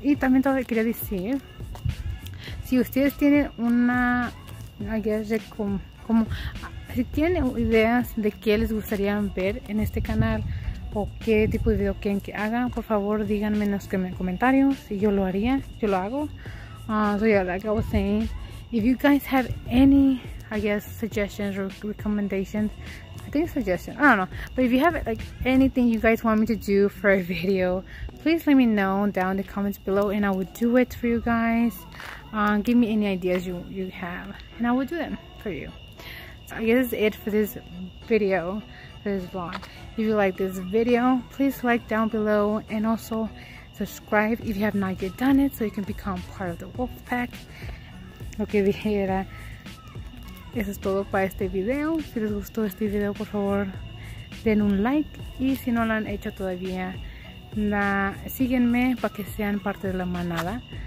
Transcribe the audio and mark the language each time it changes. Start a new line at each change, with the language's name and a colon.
Spanish: Y también todo lo que quería decir, si ustedes tienen una idea de como si tienen ideas de qué les gustaría ver en este canal o qué tipo de video quieren que haga, por favor díganme en los comentarios y yo lo haría, yo lo hago.
English: So yeah, like I was saying, if you guys have any, I guess, suggestions or recommendations, I think suggestion, I don't know, but if you have like anything you guys want me to do for a video, please let me know down in the comments below and I will do it for you guys. Give me any ideas you have, and I will do them for you. So I guess it's it for this video, for this vlog. If you like this video, please like down below, and also subscribe if you have not yet done it, so you can become part of the wolf pack.
Spanish: Okay, dijera. Eso es todo para este video. Si les gustó este video, por favor, den un like. Y si no lo han hecho todavía, síguenme para que sean parte de la manada.